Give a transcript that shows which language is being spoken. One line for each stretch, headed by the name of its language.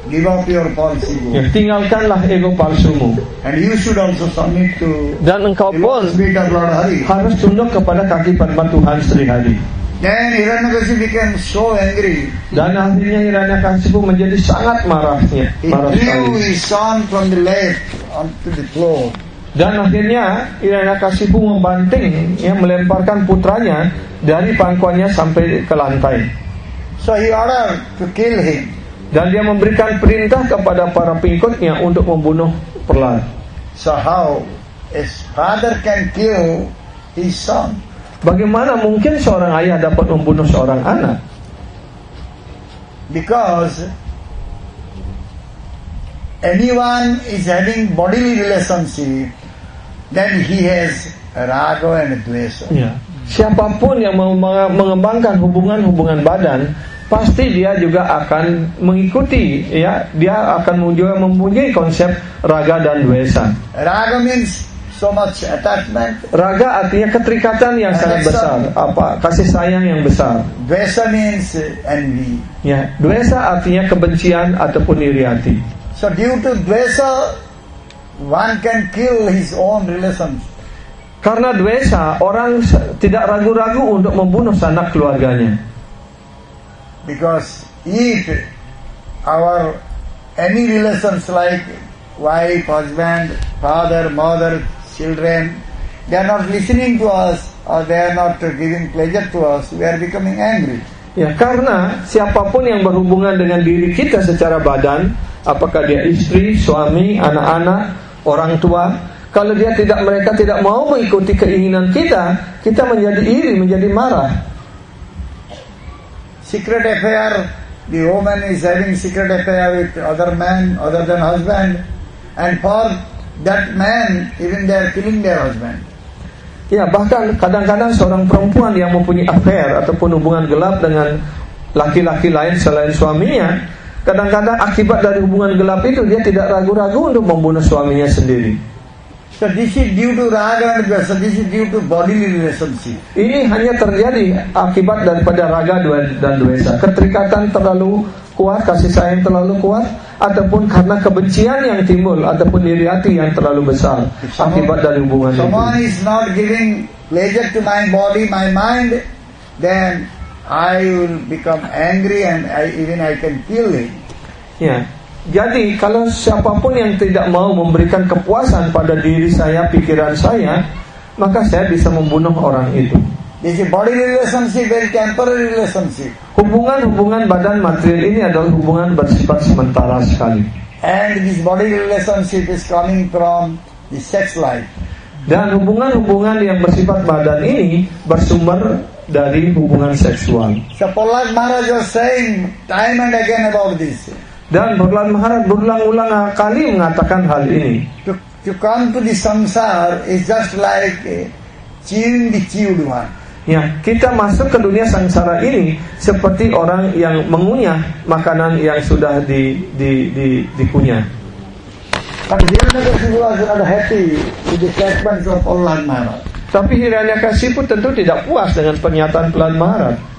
English: give up your false ego.
Indonesian: Ya, tinggalkanlah ego palsumu.
English: And you should also submit to.
Indonesian: Dan engkau pun harus tunduk kepada kaki padma Tuhan Sri Hari.
English: Then Hiranyakasipu became so angry.
Indonesian: Dan akhirnya Hiranyakasipu menjadi sangat marahnya.
English: Marah he threw his son from the left onto the floor.
Indonesian: Dan akhirnya Hiranyakasipu membanting, ya, melemparkan putranya dari pangkuannya sampai ke lantai.
English: So he ordered to kill him.
Indonesian: Dan dia memberikan perintah kepada para pengikutnya untuk membunuh Prahlad.
English: So how his father can kill his son?
Indonesian: Bagaimana mungkin seorang ayah dapat membunuh seorang anak?
English: Because anyone is having bodily relationship, then he has raga and dvesa.
Indonesian: Ya. Siapapun yang mengembangkan hubungan-hubungan badan, pasti dia juga akan mengikuti, ya, dia akan juga mempunyai konsep raga dan dvesa.
English: Raga means so much attachment.
Indonesian: Raga artinya keterikatan yang and sangat besar, apa kasih sayang yang besar.
English: Dvesa means envy.
Indonesian: Ya, dvesa artinya kebencian ataupun iri hati.
English: So due to dvesa, one can kill his own relations.
Indonesian: Karena dvesa, orang tidak ragu-ragu untuk membunuh sanak keluarganya.
English: Because if our any relations like wife, husband, father, mother, children, they are not listening to us, or they are not giving pleasure to us, we are becoming angry.
Indonesian: Ya, karena siapapun yang berhubungan dengan diri kita secara badan, apakah dia istri, suami, anak-anak, orang tua, kalau dia tidak, mereka tidak mau mengikuti keinginan kita, kita menjadi iri, menjadi marah.
English: Secret affair, the woman is having secret affair with other man other than husband, and for that man, even they are killing their husband.
Indonesian: Ya, bahkan kadang-kadang seorang perempuan yang mempunyai affair ataupun hubungan gelap dengan laki-laki lain selain suaminya, kadang-kadang akibat dari hubungan gelap itu dia tidak ragu-ragu untuk membunuh suaminya sendiri.
English: So this is due to raga and dvesa. This is due to bodily relationship.
Indonesian: Ini hanya terjadi akibat daripada raga dan dvesa. Keterikatan terlalu kuat, kasih sayang terlalu kuat, ataupun karena kebencian yang timbul ataupun iri hati yang terlalu besar akibat dari hubungan itu.
English: Someone is not giving pleasure to my body, my mind, then I will become angry and I can kill him.
Indonesian: Ya. Jadi kalau siapapun yang tidak mau memberikan kepuasan pada diri saya, pikiran saya, maka saya bisa membunuh orang itu.
English: This is body relationship, very temporary relationship.
Indonesian: Hubungan-hubungan badan material ini adalah hubungan bersifat sementara sekali.
English: And this body relationship is coming from the sex life.
Indonesian: Dan hubungan-hubungan yang bersifat badan ini bersumber dari hubungan seksual.
English: So Prahlad Maharaj was saying time and again about this.
Indonesian: Dan Prahlad Maharaj berulang-ulang kali mengatakan hal ini.
English: To come to the samsara is just like chewing the chewed one.
Indonesian: Ya, kita masuk ke dunia sengsara ini seperti orang yang mengunyah makanan yang sudah dikunyah. Tapi Hiranyakasipu sudah
English: happy with the statements of Prahlad Maharaj.
Indonesian: Tapi Hiranyakasipu tentu tidak puas dengan pernyataan Prahlad Maharaj.